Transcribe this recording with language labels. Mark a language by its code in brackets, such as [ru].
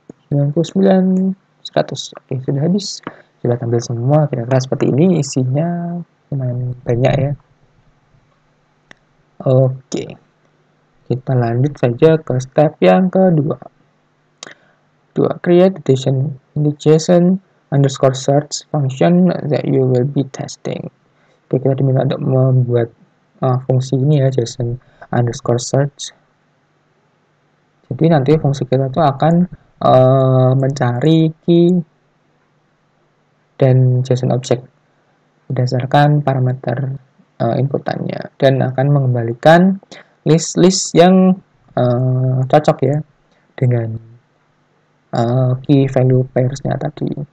[id] 99 100. Oke, sudah habis. Sudah tampil semua kira-kira seperti ini isinya lumayan banyak ya. Oke. Kita lanjut saja ke step yang kedua. [en] Dua, create addition in the JSON underscore search function that you will be testing. [id] Oke, kita diminta untuk membuat fungsi ini ya, JSON underscore search. Jadi nanti fungsi kita itu akan mencari key dan JSON object berdasarkan parameter inputannya dan akan mengembalikan list-list yang cocok ya dengan key value pairs-nya tadi.